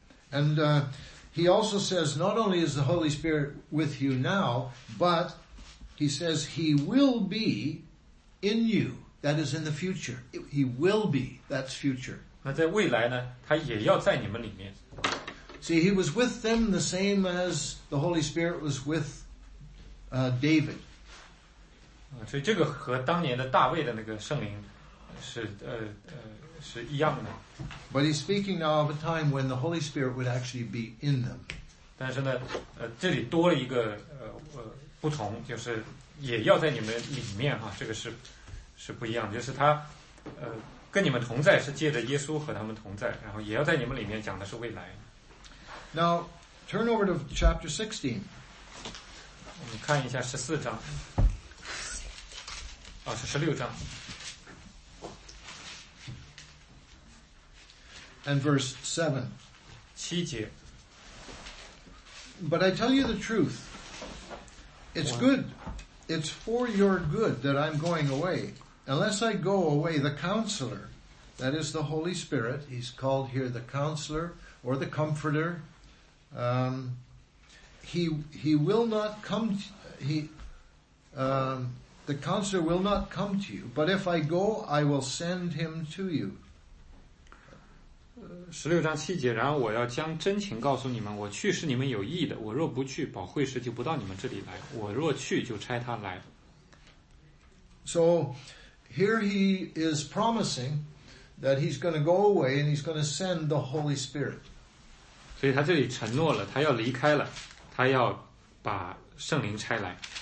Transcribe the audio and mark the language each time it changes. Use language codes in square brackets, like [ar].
[en] And He also says, not only is the Holy Spirit with you now, but he says he will be in you. That is in the future. He will be. That's future. [zh] 那在未来呢，他也要在你们里面。 [en] See, he was with them the same as the Holy Spirit was with David. [zh] 所以这个和当年的大卫的那个圣灵是是一样的。 [en] But he's speaking now of a time when the Holy Spirit would actually be in them. [zh] 但是呢，这里多了一个不同，就是也要在你们里面哈，这个是不一样的，就是他跟你们同在是借着耶稣和他们同在，然后也要在你们里面讲的是未来。 [en] Now, turn over to chapter 16. [zh] 我们看一下14章。哦，是16章。 [en] And verse 7. [zh] 七节。 [en] But I tell you the truth. It's good. It's for your good that I'm going away. Unless I go away, the counselor, that is the Holy Spirit, he's called here the counselor or the comforter, the counselor will not come to you. But if I go, I will send him to you. [zh] 16章7节，然后我要将真情告诉你们，我去是你们有益的，我若不去，保惠师就不到你们这里来，我若去就差他来。 [en] So here he is promising that he's going to go away and he's going to send the Holy Spirit. [zh] 所以他这里承诺了，他要离开了，他要把圣灵差来。